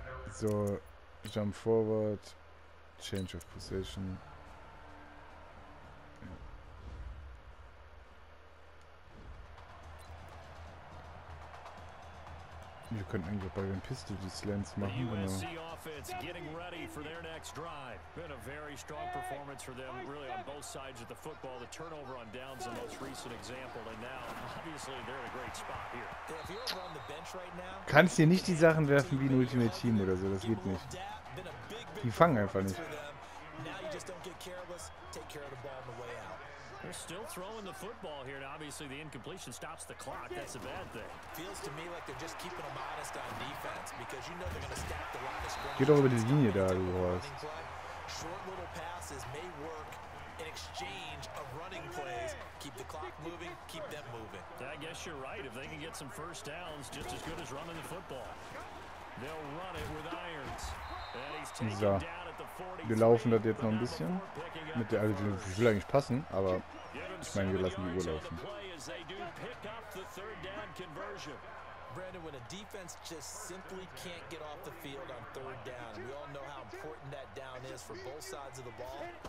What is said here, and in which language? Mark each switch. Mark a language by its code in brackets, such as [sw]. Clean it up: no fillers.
[en] So, Jump Forward, Change of Position. [de] Wir könnten eigentlich auch bei den Pistol die Slants machen. Genau. [en] Getting ready for their next drive. Been a very strong performance for them, really, on both sides of the football. The turnover on downs, the most recent example, and now obviously they're in a great spot here. If you're on the bench right now, [de] kannst hier nicht die Sachen werfen wie ein Ultimate Team oder so, das geht nicht. Die fangen einfach nicht. [en] Now you just don't get careless, take care of the ball on the way out. They're still throwing the football here, and obviously the incompletion stops the clock. That's a bad thing. Feels to me like they're just keeping them honest on defense, because you know they're going to stack the line of scrimmage. [de] Geht doch über die Linie da, du hast. [en] Short little passes may work in exchange of running plays. Keep the clock moving, keep them moving. I guess you're right. If they can get some first downs, just as good as running the football. They'll run it with irons. [de] So, wir laufen das jetzt noch ein bisschen. Mit der, also, das will eigentlich passen, aber ich meine, wir lassen die Uhr laufen. [en] Brandon, when a defense just simply can't get off the field on third down, we all know how important that down is for both sides of the ball.